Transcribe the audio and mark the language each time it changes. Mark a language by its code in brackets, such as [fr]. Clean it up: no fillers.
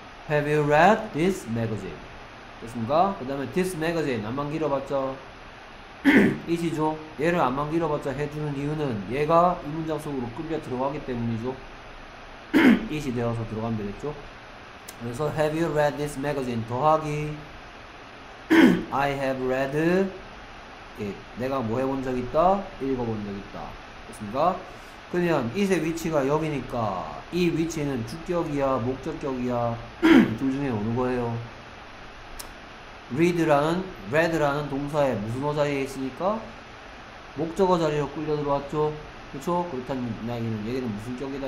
[en] Have you read this magazine? [ko] 됐습니까? 그 다음에 [en] this magazine [ko] 암만 길어봤자 이시죠? 얘를 암만 길어봤자 해주는 이유는 얘가 이 문장 속으로 끌려 들어가기 때문이죠. 이시 되어서 들어가면 되겠죠? 그래서 [en] have you read this magazine [ko] 더하기 [en] I have read it. [ko] 내가 뭐 해본 적 있다? 읽어본 적 있다. 됐습니까? 그러면 it의 위치가 여기니까 이 위치는 주격이야 목적격이야 둘 중에 어느 거예요? read라는, read라는 동사에 무슨 어 자리에 있으니까? 목적어 자리로 끌려 들어왔죠? 그쵸? 그렇다는 이야기는, 얘는 무슨 격이다?